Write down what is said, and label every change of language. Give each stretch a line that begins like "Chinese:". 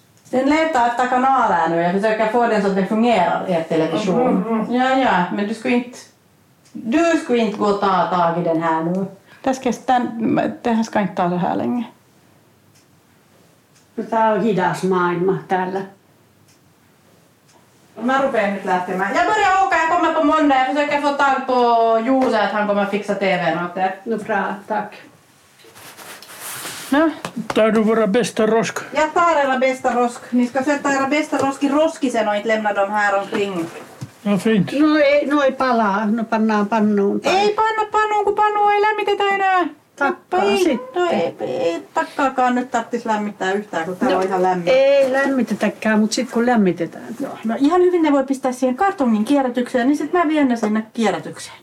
Swedish: Den letar efter kanalen nu. Jag försöker få den så att den fungerar i television. Ja, men du skulle inte... Du skulle inte gå och ta tag i den här nu. Det här ska inte ta så här länge.
Finnish: Tämä on hidas maailma täällä. Mä rupean nyt lähtemään.
Swedish: Jag börjar åka, jag kommer på måndag. Jag försöker få tag på Juuse, att han kommer fixa tvn åt det. No bra, tack. No?
Finnish: Tämä on
Swedish: våra bästa rosk. Jag tar era bästa rosk. Ni ska sätta era bästa rosk i roskisen och inte lämna dem här omkring. No fint.
Finnish: No ei palaa. No pannaan pannuun. Tai... Ei panna pannuun, kun pannu ei lämmitetä enää. Takkaa sitten. No ei takkaakaan nyt tarvitsisi lämmittää yhtään, kun täällä on ihan lämmin. Ei lämmitetäkään, mutta sitten kun lämmitetään. No ihan hyvin ne voi pistää siihen kartongin kierrätykseen, niin sitten mä vien ne sinne kierrätykseen.